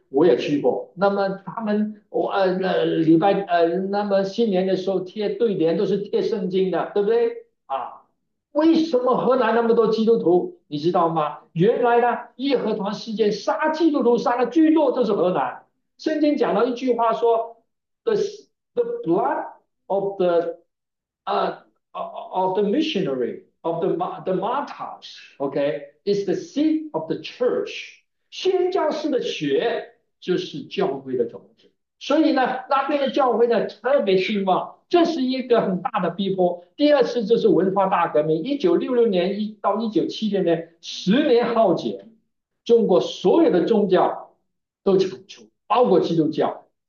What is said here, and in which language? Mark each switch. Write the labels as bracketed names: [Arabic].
[Chinese] 我也去过，那么他们我礼拜那么新年的时候贴对联都是贴圣经的，对不对啊？为什么河南那么多基督徒？你知道吗？原来呢，义和团事件杀基督徒杀的最多就是河南。圣经讲到一句话说， [English] the blood of the of the missionary of the martyrs, okay, is the seed of the church. [Chinese] 宣教士的血。这是教会的种子，所以呢，那边的教会呢特别兴旺，这是一个很大的逼迫。第二次就是文化大革命，1966年到1970年，10年浩劫，中国所有的宗教都铲除，包括基督教。